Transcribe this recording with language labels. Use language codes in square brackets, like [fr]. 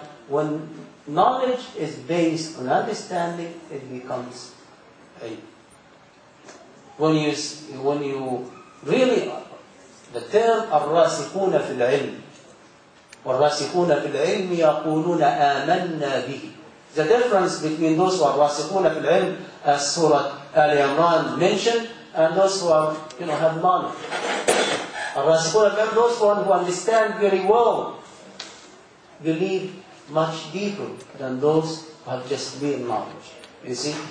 [en] When knowledge is based on understanding, it becomes ilm. When you really, the term [ar] الراسخون في العلم والراسخون في العلم يقولون آمنا به. [en] The difference between those who are wasiquna fil ilm, as Surah Ali Imran mentioned, and those who are, you know, have knowledge. Wasiquna fil ilm, those one who understand very well, believe much deeper than those who have just mere knowledge. You see?